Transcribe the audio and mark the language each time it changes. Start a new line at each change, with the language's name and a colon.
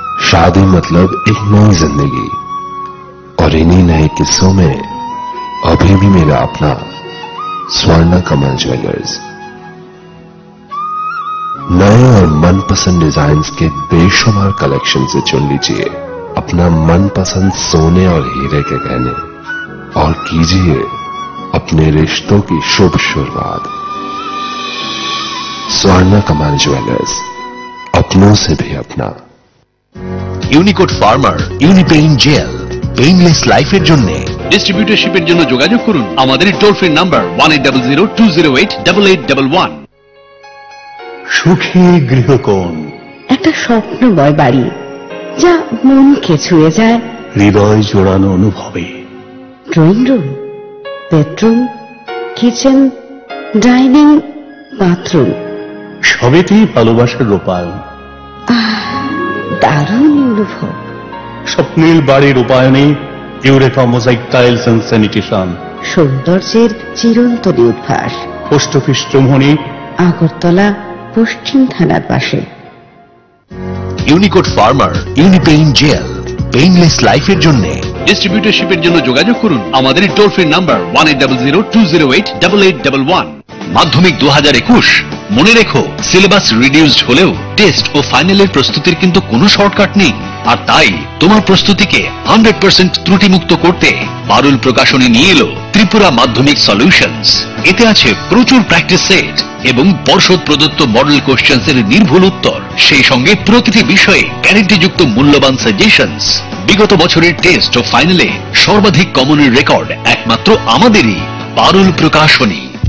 Hindi: शादी मतलब एक नई जिंदगी और इन्हीं नए किस्सों में अभी भी मेरा अपना स्वर्ण कमल ज्वेलर्स नए और मनपसंद डिजाइन्स के बेशुमार कलेक्शन से चुन लीजिए अपना मनपसंद सोने और हीरे के गहने और कीजिए अपने रिश्तों की शुभ शुरुआत स्वर्ण कमल ज्वेलर्स अपनों से भी अपना Unicode farmer यूनिपेन jail painless life के लिए डिस्ट्रीब्यूटरशिप के लिए जोगाजोग करें हमारे टोल फ्री नंबर 1800-208-8811
Bangla: सुखी गृहकोण एक स्वप्न बय बाड़ी যা মনকে ছুঁয়ে যায় হৃদয় জোড়ানো অনুভবে drawing room bedroom kitchen dining bathroom সবেতেই ভালোবাসার রূপায়ণ দারুণ অনুভব স্বপ্নের বাড়ির উপায়নে eureka mosaic tiles and sanitation সৌন্দর্যের চিরন্তনী উদ্ভাস পোস্ট অফিস চৌমুহনী আগরতলা পশ্চিম থানার পাশে Unicode Farmer, Unipain Gel, Painless Life এর জন্য Distributorship এর জন্য যোগাযোগ করুন আমাদের টোল ফ্রি নাম্বার 1800-208-8811 মাধ্যমিক 2021 মনে রেখো সিলেবাস রিডিউসড হলেও টেস্ট ও ফাইনালের প্রস্তুতির কিন্তু কোনো শর্টকাট নেই আর তাই তোমার প্রস্তুতিকে 100% ত্রুটিমুক্ত করতে পারুল প্রকাশনী নিয়ে এলো ত্রিপুরা মাধ্যমিক সলিউশনস এতে আছে প্রচুর প্র্যাকটিস সেট এবং পর্ষদ প্রদত্ত মডেল কোশ্চেন্স এর নির্ভুল উত্তর সেই সঙ্গে প্রতিটি বিষয়ে গ্যারান্টিযুক্ত মূল্যবান সাজেশনস বিগত বছরের টেস্ট ও ফাইনালে সর্বাধিক কমনের রেকর্ড একমাত্র আমাদেরই পারুল প্রকাশনী